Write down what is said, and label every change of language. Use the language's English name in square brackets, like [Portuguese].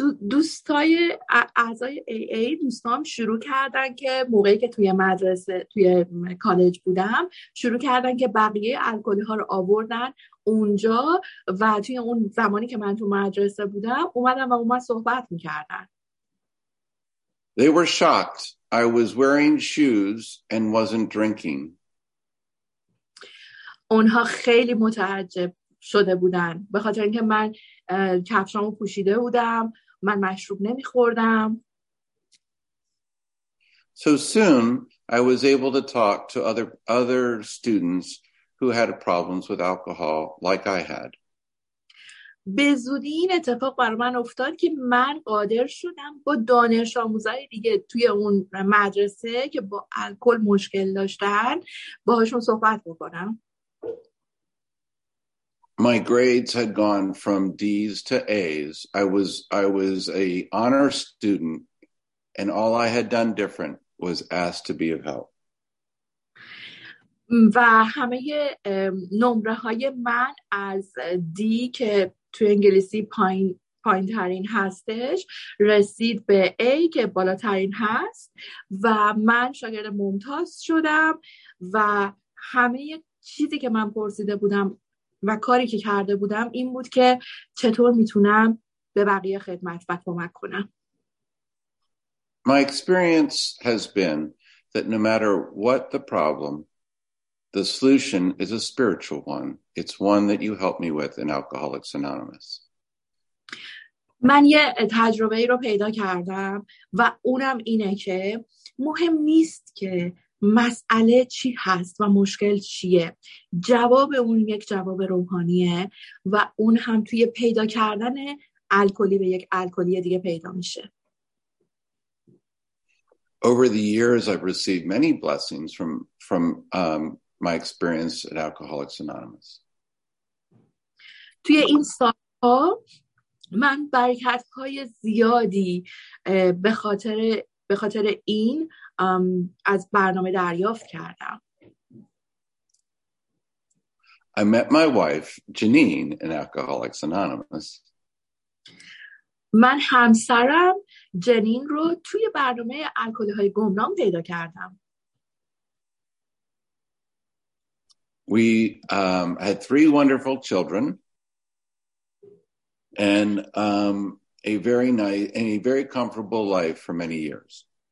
[Persian] دوستای اعضای AA دوستام شروع کردن که موقعی که توی مدرسه توی کالج بودم شروع کردن که بقیه الکلی ها رو آوردن اونجا و توی اون زمانی که من تو مدرسه بودم اومدن و با من صحبت میکردن. [English] They were shocked. I was wearing shoes and wasn't drinking. [Persian] اونها خیلی متعجب شده بودن به خاطر اینکه من کفشامو پوشیده بودم، من مشروب نمیخوردم. [English] So soon I was able to talk to other students who had problems with alcohol like I had. [Persian] به زودی این اتفاق برای من افتاد که من قادر شدم با دانش آموزای دیگه توی اون مدرسه که با الکل مشکل داشتن باهاشون صحبت بکنم. [English] My grades had gone from D's to A's. I was a honor student and all I had done different was asked to be of help. [Persian] و همه نمره های من از D که تو انگلیسی پایین ترین هستش رسید به A که بالاترین هست و من شاگرد ممتاز شدم و همه چیزی که من پرسیده بودم و کاری که کرده بودم این بود که چطور میتونم به بقیه خدمت و کمک کنم. [English] My experience has been that no matter what the problem, the solution is a spiritual one. It's one that you helped me with in Alcoholics Anonymous. [Persian] من یه تجربه ای رو پیدا کردم و اونم اینه که مهم نیست که مسئله چی هست و مشکل چیه، جواب اون یک جواب روحانیه و اون هم توی پیدا کردن الکلی به یک الکلی دیگه پیدا میشه. [English] Over the years I've received many blessings from my experience at Alcoholics Anonymous. [Persian] توی این سال‌ها من برکت‌های زیادی به خاطر این از برنامه دریافت کردم. [English] I met my wife Janine in Alcoholics Anonymous. [Persian] من همسرم جنین رو توی برنامه الکل‌های گمنام پیدا کردم. [English] We had three wonderful children and a very nice and a very comfortable life for many years.